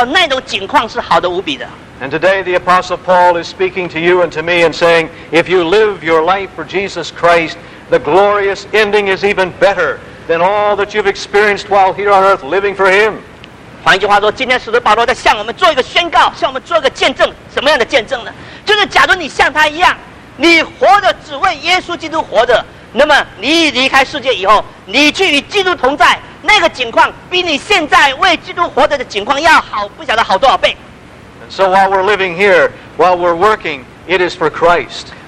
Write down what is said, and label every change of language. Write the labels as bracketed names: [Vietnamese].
[Chinese] 他这个心愿到底是什么呢？他就是愿意离开这个世界，与基督同在，因为他知道那种景况是好的无比的。 [English] And today the Apostle Paul is speaking to you and to me and saying, if you live your life for Jesus Christ, the glorious ending is even better than all that you've experienced while here on earth living for Him. [Chinese] 换句话说，今天使徒保罗在向我们做一个宣告，向我们做一个见证。什么样的见证呢？就是假如你像他一样，你活着只为耶稣基督活着。那么你离开世界以后，你去与基督同在，那个景况比你现在为基督活着的景况要好，不晓得好多少倍。 [English] And so while we're living here, while we're working, it is for Christ.